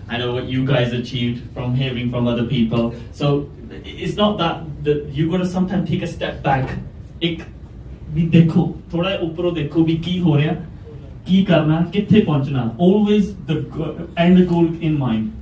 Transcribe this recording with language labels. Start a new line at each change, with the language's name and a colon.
English: I know what you guys achieved from hearing from other people. So it's not that, that you got to sometimes take a step back.
Punjabi: ਇੱਕ ਭੀ ਦੇਖੋ, ਥੋੜ੍ਹਾ ਉੱਪਰੋ ਦੇਖੋ ਭੀ ਕੀ ਹੋ ਰਿਹਾ, ਕੀ ਕਰਨਾ, ਕਿੱਥੇ ਪਹੁੰਚਣਾ.
English: Always the end goal in mind.